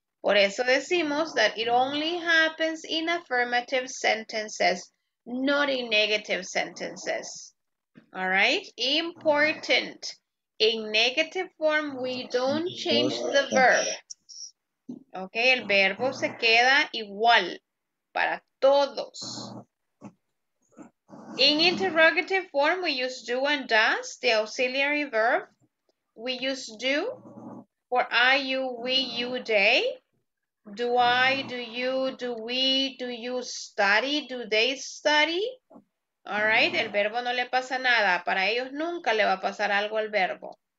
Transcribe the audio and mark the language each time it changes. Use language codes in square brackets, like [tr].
[es] Por eso decimos [en] that it only happens in affirmative sentences, not in negative sentences. All right? Important. In negative form, we don't change the verb. [es] Okay, el verbo se queda igual para todos. [en] In interrogative form, we use do and does, the auxiliary verb. We use do for I, you, we, you, they. Do I, do you, do we, do you study, do they study? All right, [es] el verbo no le pasa nada. Para ellos nunca le va a pasar algo al verbo.